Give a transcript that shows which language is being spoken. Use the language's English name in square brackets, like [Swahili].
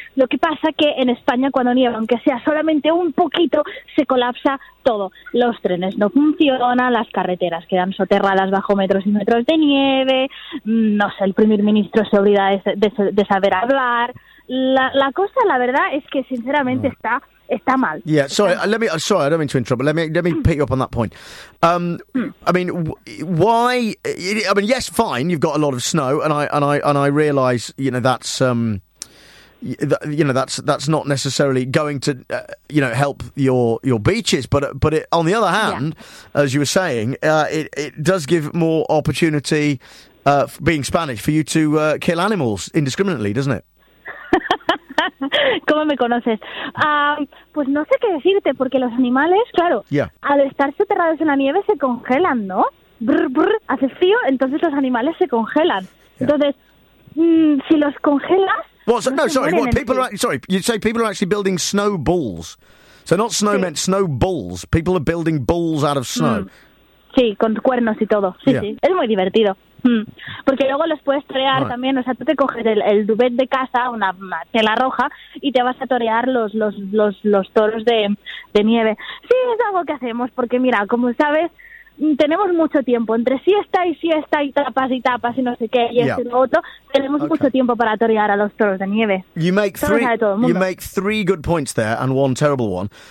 [Spanish] Lo que pasa que en España, cuando nieva, aunque sea solamente un poquito, se colapsa todo. Los trenes no funcionan, las carreteras quedan soterradas bajo metros y metros de nieve, no sé, el primer ministro se olvida de saber hablar. La cosa, la verdad, es que sinceramente está mal. [English] Yeah, sorry. I don't mean to interrupt, but let me pick you up on that point. I mean, why? I mean, yes, fine. You've got a lot of snow, and I realise, you know, that's that's not necessarily going to help your beaches. But on the other hand, yeah, as you were saying, it does give more opportunity, being Spanish, for you to kill animals indiscriminately, doesn't it? [Spanish] ¿Cómo me conoces? Pues no sé qué decirte, porque los animales, claro, [English] yeah, [Spanish] al estar soterrados en la nieve se congelan, ¿no? Brr, brr, hace frío, entonces los animales se congelan. Yeah. Entonces, si los congelas... [English] Well, you say people are actually building snow balls. So not snow, sí, meant snow balls. People are building balls out of snow. [Spanish] Sí, con cuernos y todo. Sí, yeah, sí. Es muy divertido. Porque luego los puedes torear también. O sea, tú te coges el duvet de casa, una tela roja, y te vas a torear los toros de nieve. Sí, es algo que hacemos, porque mira, como sabes, tenemos mucho tiempo. Entre siesta y siesta y tapas y no sé qué, y esto y lo otro, tenemos mucho tiempo para torear a los toros de nieve. [English] You make three good points there and one terrible one.